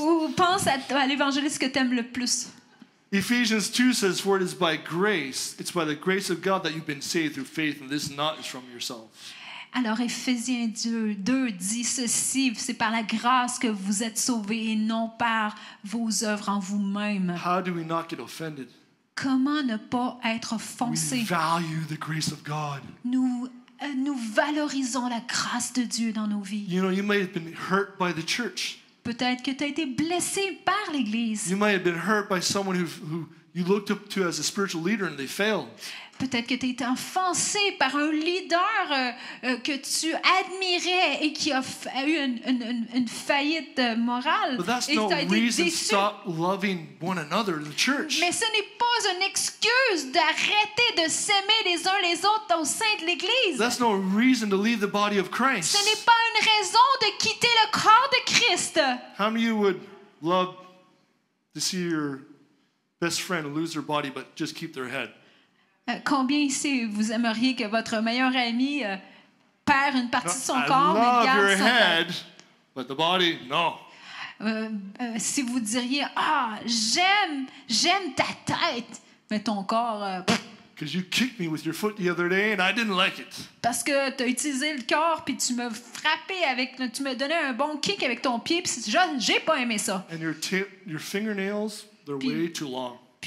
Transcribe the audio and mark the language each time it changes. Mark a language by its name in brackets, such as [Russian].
[French] Ou pense à l'évangéliste que t'aimes le plus. [English] Ephesians 2 says, "For it is by grace, it's by the grace of God that you've been saved through faith, and this not is from yourself." [French] Alors Ephésiens 2 dit ceci, c'est par la grâce que vous êtes sauvés et non par vos œuvres en vous-même. [English] How do we not get offended? [French] Comment ne pas être offensé? [English] We value the grace of God. [French] Nous valorisons la grâce de Dieu dans nos vies. [English] You know, you might have been hurt by the church. [French] Peut-être que tu as été blessé par l'église. [English] You might have been hurt by someone who you looked up to as a spiritual leader and they failed. [French] Peut-être que tu as été offensé par un leader que tu admirais et qui a eu une faillite morale. [English] But that's no reason to stop loving one another in the church. [French] Mais ce n'est pas une excuse d'arrêter de s'aimer les uns les autres au sein de l'Église. [English] That's no reason to leave the body of Christ. [French] Ce n'est pas une raison de quitter le corps de Christ. [English] How many of you would love to see your best friend lose their body but just keep their head? [French] Combien ici vous aimeriez que votre meilleur ami perde une partie de son corps mais garde son [English] head, but the body, no. [French] Si vous diriez ah j'aime ta tête mais ton corps [English] because you kicked me with your foot the other day and I didn't like it. [French] Parce que tu as utilisé le corps puis tu m'as frappé avec tu m'as donné un bon kick avec ton pied puis j'ai pas aimé ça. [English] And your fingernails they're way too long.